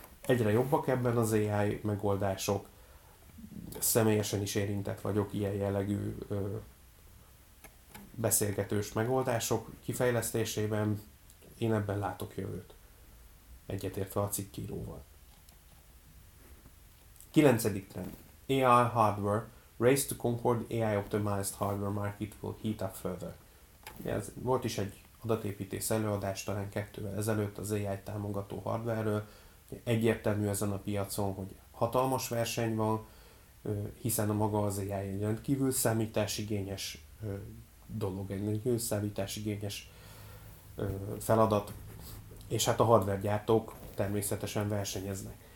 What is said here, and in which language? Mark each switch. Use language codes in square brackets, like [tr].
[hu] Egyre jobbak ebben az AI megoldások, személyesen is érintett vagyok ilyen jellegű beszélgetős megoldások kifejlesztésében, én ebben látok jövőt, egyetértve a cikkíróval. 9. trend. [en] AI hardware, race to conquer AI optimized hardware market will heat up further. [hu] Ez volt is egy adatépítés előadás talán 2 évvel ezelőtt az AI támogató hardware-ről. Egyértelmű ezen a piacon, hogy hatalmas verseny van, hiszen a maga az AI egy rendkívül számításigényes dolog, egy rendkívül számításigényes feladat, és hát a hardware gyártók természetesen versenyeznek.